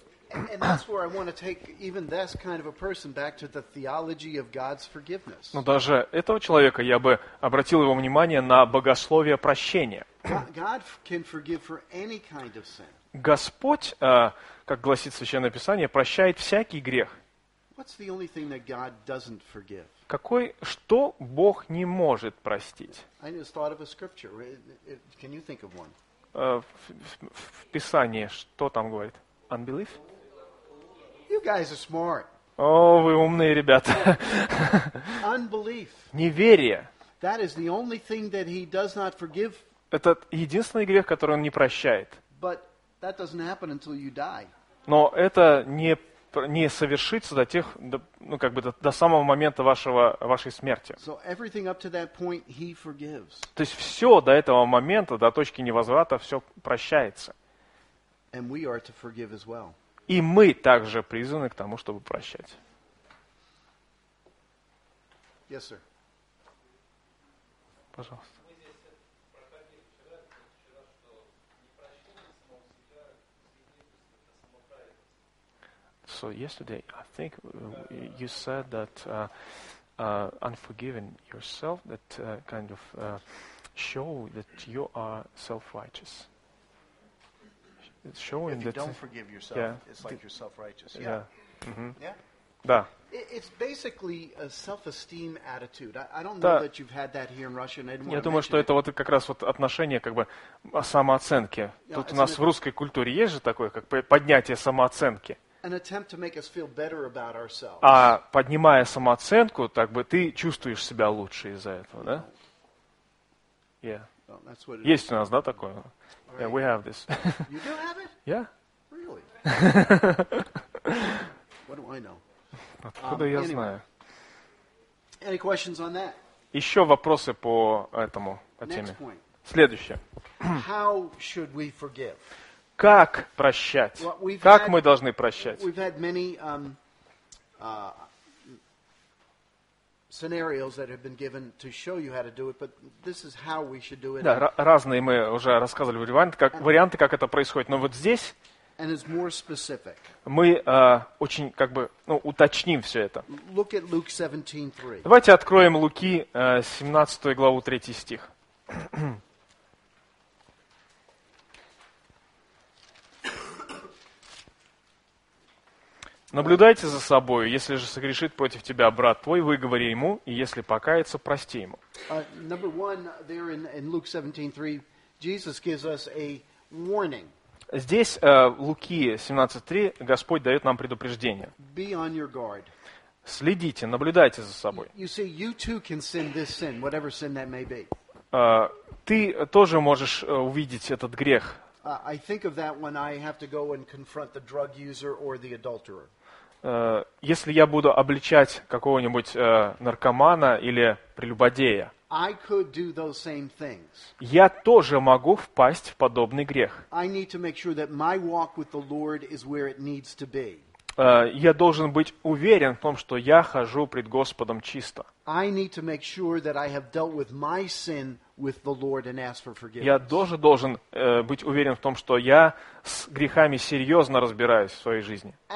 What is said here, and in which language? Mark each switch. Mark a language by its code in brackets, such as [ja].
[en] And that's where I want to take even this kind of a person back to the theology of God's forgiveness. [ru] Но даже этого человека я бы обратил его внимание на богословие прощения. [en] God can forgive for any kind of sin. [ru] Господь, как гласит Священное Писание, прощает всякий грех. [en] What's the only thing that God doesn't forgive? [ru] Какой, что Бог не может простить? [en] I just thought of a scripture. Can you think of one? [ru] В Писании что там говорит? [en] Unbelief? You guys are smart. [ru] О, вы умные ребята. [en] Unbelief. [ru] Неверие. [en] That is the only thing that he does not forgive. [ru] Это единственный грех, который он не прощает. [en] But that doesn't happen until you die. [ru] Но это не совершится до тех, до самого момента вашей смерти. [en] So everything up to that point he forgives. [ru] То есть все до этого момента, до точки невозврата, все прощается. [en] And we are to forgive as well. [ru] И мы также призваны к тому, чтобы прощать. [en] Yes, sir. [ru] Пожалуйста. [en] So yesterday, I think you said that unforgiving yourself, that kind of show that you are self-righteous. It's showing if that you don't forgive yourself, it's like you're self-righteous. Yeah. [ru] Да. [en] It's basically a self-esteem attitude. I don't know that you've had that here in Russia. [ru] Я думаю, что это вот как раз вот отношение как бы о самооценке. Тут у нас в русской культуре есть же такое, как поднятие самооценки. [en] An attempt to make us feel better about ourselves. [ru] А поднимая самооценку, так бы ты чувствуешь себя лучше из-за этого, да? [en] Yeah. Well, that's what it [ru] есть у нас, да, такое? [en] Right. Yeah, we have this. You do have it? Yeah. Really? What do I know? [ru] Откуда я знаю? [en] Any questions on that? [ru] Еще вопросы по этому, по теме. [en] Next point. [ru] Следующее. [en] How should we forgive? [ru] Как прощать? [en] Well, [ru] как [en] had, [ru] мы должны прощать? [en] We've had many scenarios that have been given to show you how to do it, but this is how we should do it. [ru] Да, разные мы уже рассказывали варианты, как это происходит, но вот здесь. [en] And it's more specific. [ru] Мы очень как бы уточним все это. [en] Look at Luke 17:3. [ru] Давайте откроем Луки 17 главу 3 стих. Наблюдайте за собою, если же согрешит против тебя брат твой, выговори ему, и если покается, прости ему. [en] Number one, there in Luke 17:3, Jesus gives us a warning. [ru] Здесь, Луки 17:3, Господь дает нам предупреждение. [en] Be on your guard. [ru] Следите, наблюдайте за собой. [en] You see, you too can sin this sin, whatever sin that may be. [ru] Ты тоже можешь увидеть этот грех. [en] I think of that when I have to go and confront the drug user or the adulterer. [ru] Если я буду обличать какого-нибудь наркомана или прелюбодея, [en] I could do those same things. [ru] Я тоже могу впасть в подобный грех. [en] I need to make sure that my walk with the Lord is where it needs to be. [ru] Я должен быть уверен в том, что я хожу пред Господом чисто. Я должен быть уверен в том, что я с грехами серьезно разбираюсь в своей жизни.